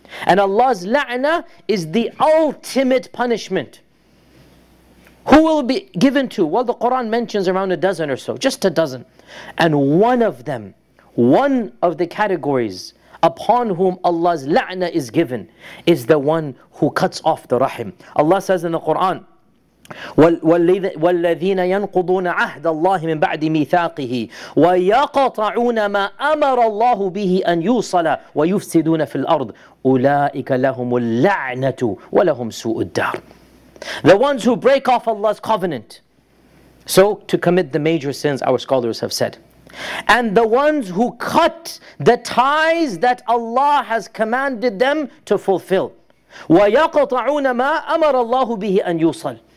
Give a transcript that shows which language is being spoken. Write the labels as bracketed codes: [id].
[en] And Allah's la'na is the ultimate punishment. Who will be given to? Well, the Quran mentions around a dozen or so, just a dozen. And one of them, one of the categories upon whom Allah's la'na is given, is the one who cuts off the rahim. Allah says in the Quran, [ar] وَالَّذِينَ يَنْقُضُونَ عَهْدَ اللَّهِ مِنْ بَعْدِ مِيثَاقِهِ وَيَقَطَعُونَ مَا أَمَرَ اللَّهُ بِهِ أَنْ يُوصَلَ وَيُفْسِدُونَ فِي الْأَرْضِ أُولَٰئِكَ لَهُمُ اللَّعْنَةُ وَلَهُمْ سُوءُ الدَّارِ. [en] The ones who break off Allah's covenant, so to commit the major sins, our scholars have said, and the ones who cut the ties that Allah has commanded them to fulfill, [ar] وَيَقَطَعُونَ مَا أَمَرَ اللَّهُ بِهِ أَنْ يُوصَلَ.